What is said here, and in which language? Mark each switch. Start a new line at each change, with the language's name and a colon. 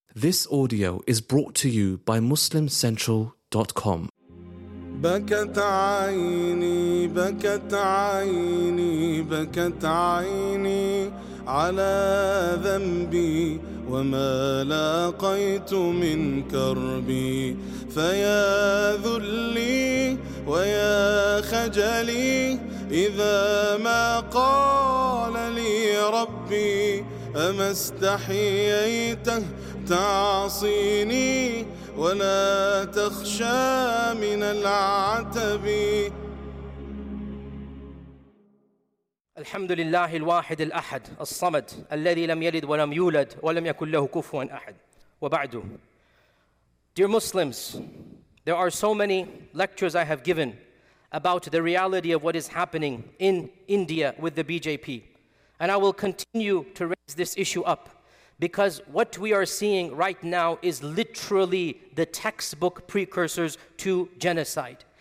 English: This audio is brought to you by MuslimCentral.com.
Arabic: بكت عيني بكت عيني بكت عيني على ذنبي وما لاقيت من كربي فيا ذلي ويا خجلي إذا ما قال لي ربي أما استحييته تعصيني ولا تخشى من العتب. الحمد لله الواحد الأحد الصمد الذي لم يلد ولم يولد ولم يكن له كفوا أحد وبعد.
English: Dear Muslims, there are so many lectures I have given about the reality of what is happening in India with the BJP. And I will continue to raise this issue up because what we are seeing right now is literally the textbook precursors to genocide.